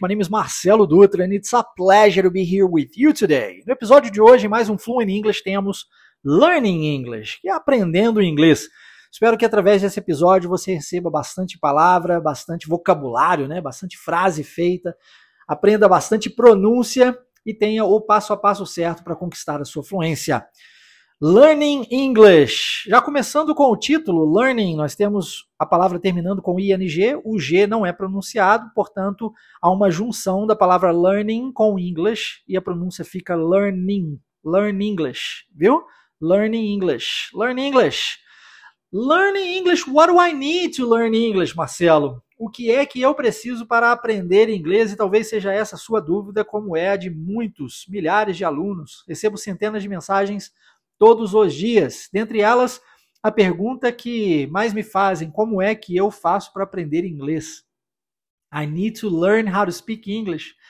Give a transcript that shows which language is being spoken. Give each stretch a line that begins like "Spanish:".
English: My name is Marcelo Dutra and it's a pleasure to be here with you today.
Portuguese: No episódio de hoje, mais um Fluent English, temos Learning English, que é aprendendo inglês. Espero que através desse episódio você receba bastante palavra, bastante vocabulário, né? Bastante frase feita, aprenda bastante pronúncia e tenha o passo a passo certo para conquistar a sua fluência. Learning English. Já começando com o título, learning, nós temos a palavra terminando com ing, o g não é pronunciado, portanto, há uma junção da palavra learning com English e a pronúncia fica learning, learn English, viu?
English: Learning English, learn English. Learning English, what do I need to learn English, Marcelo?
Portuguese: O que é que eu preciso para aprender inglês? E talvez seja essa a sua dúvida, como é a de muitos, milhares de alunos. Recebo centenas de mensagens todos os dias. Dentre elas, a pergunta que mais me fazem, como é que eu faço para aprender inglês?
English: I need to learn how to speak English.